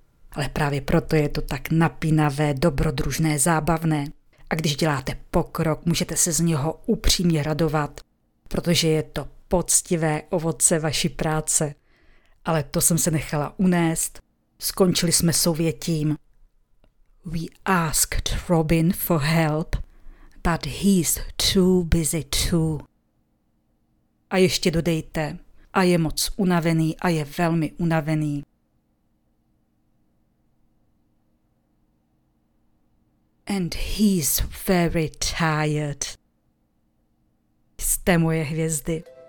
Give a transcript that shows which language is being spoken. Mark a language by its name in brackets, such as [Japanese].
[Czech] Ale právě proto je to tak napínavé, dobrodružné, zábavné. A když děláte pokrok, můžete se z něho upřímně radovat, protože je to poctivé ovoce vaší práce. Ale to jsem se nechala unést. Skončili jsme souvětím. [English] We asked Robin for help, but he's too busy too. [Czech] A ještě dodejte, a je moc unavený a je velmi unavený. [English] And he's very tired. [Czech] Jste moje hvězdy.